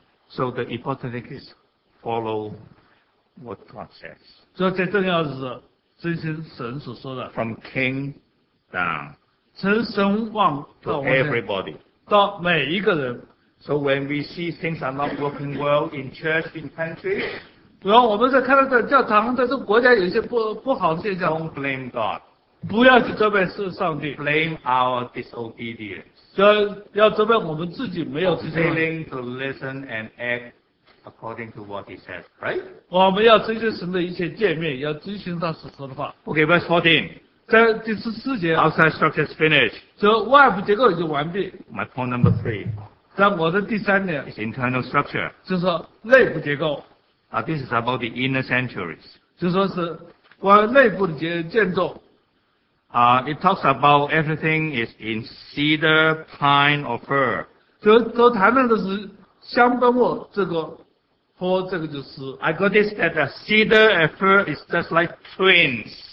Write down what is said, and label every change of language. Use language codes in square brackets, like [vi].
[en] So the important thing is follow what God says. [zh] 所以最重要的是遵循神所说的, [en] from king down [zh] 从神往, [en] to everybody. [zh] 到每一个人, [en] so when we see things are not working well in church, in country, [zh] 然后我们在看到教堂在这个国家有一些不好的现象, [en] don't blame God. [zh] 不要去责备上帝, [en] blame our disobedience. [zh] 就要责备我们自己没有执行, [en] failing to listen and act according to what he says, right? [zh] 我们要遵循神的一些诫命, 要遵循他所说的话。 [en] Okay, verse 14. [zh] 在第14节, [en] outside structure is finished. [zh] 就外部结构已经完毕。 [en] My point number 3. [zh] 在我的第三点, [en] is internal structure. [zh] 就是说内部结构。 [en] This is about the inner sanctuaries. [zh] 就是说是关于内部的建筑。 [en] It talks about everything is in cedar, pine, or fir. [zh] 都谈论的是香柏木这个和这个就是。 [en] I got this that a cedar and fir is just like twins.